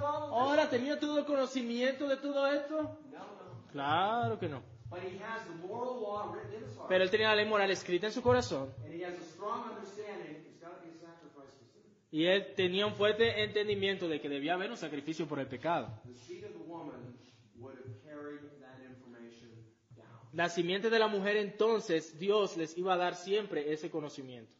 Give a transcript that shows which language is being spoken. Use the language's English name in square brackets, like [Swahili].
[Spanish] ¿Ahora tenía todo el conocimiento de todo esto? Claro que no. [English] But he has the moral law written in his heart. [Spanish] Pero él tenía la ley moral escrita en su corazón. [English] And he has a strong understanding. It's got to be a sacrifice for sin. [Spanish] Y él tenía un fuerte entendimiento de que debía haber un sacrificio por el pecado. [English] The seed of the woman would have carried that information down. [Spanish] La simiente de la mujer entonces, Dios les iba a dar siempre ese conocimiento.